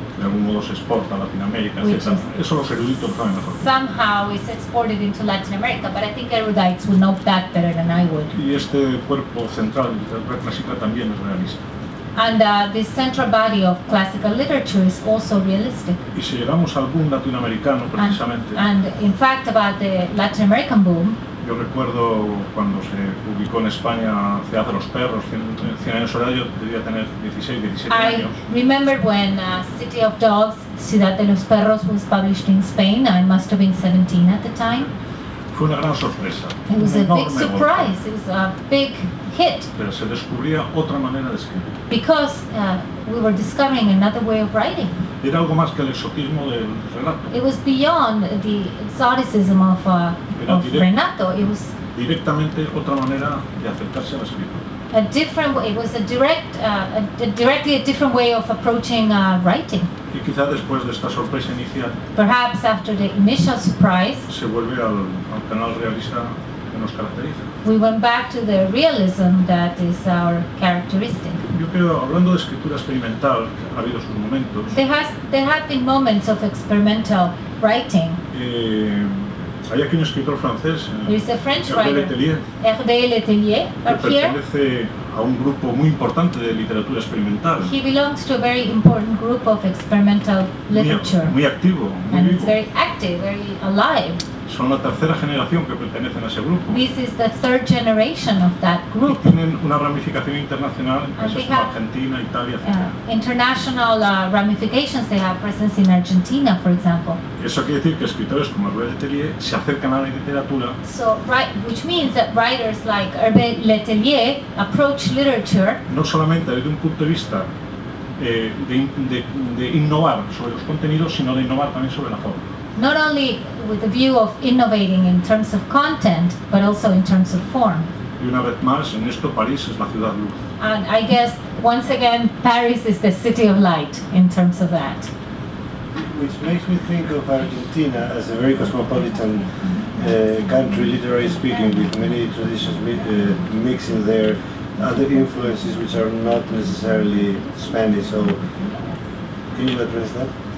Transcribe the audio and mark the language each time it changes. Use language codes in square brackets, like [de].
[es] De algún modo se exporta a Latinoamérica, etc. Eso los eruditos saben mejor. [en] Somehow it's exported into Latin America, but I think erudites would know that better than I would. [es] Y este cuerpo central de la clásica también es realista. [en] And this central body of classical literature is also realistic. [es] Y si llegamos a algún latinoamericano precisamente. [en] And in fact about the Latin American boom. [es] Yo recuerdo cuando se publicó en España Ciudad de los Perros, 100 años soledad, yo debía tener 16, 17 años. [en] I remember when City of Dogs, Ciudad de los Perros was published in Spain. I must have been 17 at the time. [es] Fue una gran sorpresa. [en] It was a big surprise. It was a big hit. [es] Pero se descubría otra manera de escribir. [en] Because we were discovering another way of writing. [es] Era algo más que el exotismo del relato. [en] It was beyond the exoticism of Renato. It was [es] directamente otra manera de acercarse a la escritura. [en] A different way. It was a different way of approaching writing. [es] Y quizá después de esta sorpresa inicial. [en] Perhaps after the initial surprise. [es] Se vuelve al canal realista que nos caracteriza. [en] We went back to the realism that is our characteristic. [es] Yo creo, hablando de escritura experimental, ha habido sus momentos. [en] There have been moments of experimental writing. [es] Hay aquí un escritor francés, Hervé Letellier, que pertenece a un grupo muy importante de literatura experimental. [en] He belongs to a very important group of experimental literature. [es] Muy activo, muy [en] and [es] vivo. [en] It's very active, very alive. [es] Son la tercera generación que pertenecen a ese grupo. [en] This is the third generation of that group. [es] Y tienen una ramificación internacional, empresas como Argentina, Italia, etc. [en] International ramifications, they have presence in Argentina, for example. [es] Eso quiere decir que escritores como Hervé Letellier se acercan a la literatura. [en] So, right, which means that writers like Hervé Letellier approach literature. [es] No solamente desde un punto de vista de innovar sobre los contenidos, sino de innovar también sobre la forma. [en] Not only with the view of innovating in terms of content, but also in terms of form. [es] Y una vez más, en esto París es la ciudad luz. [en] And I guess, once again, Paris is the city of light in terms of that. Which makes me think of Argentina as a very cosmopolitan country, literary speaking, with many traditions mixing there, other influences which are not necessarily Spanish. So, can you address that?